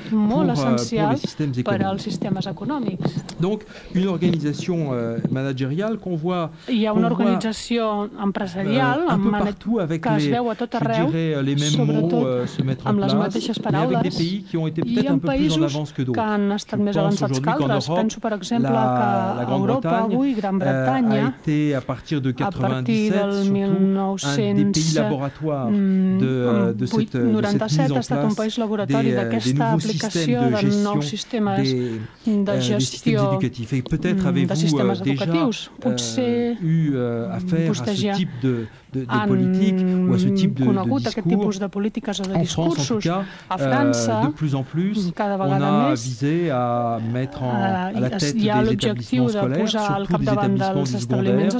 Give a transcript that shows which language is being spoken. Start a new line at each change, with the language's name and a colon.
French: pour les systèmes économiques. Donc, une organisation managériale qu'on voit un peu partout avec les mêmes mots se mettre en place, mais avec des pays qui ont été peut-être un peu plus en avance que d'autres.
Catalan: Han estat més avançats que altres. Penso, per exemple, que Europa, avui, Gran Bretanya, a partir del 1997 ha estat un país laboratori d'aquesta aplicació de nous sistemes de gestió de sistemes educatius. Potser vostès ja
French: de politique ou à ce type de discours. De politique, de en France, en tout cas,
Catalan: França,
French: de plus en plus, on a visé à mettre à la tête des établissements scolaires, surtout des établissements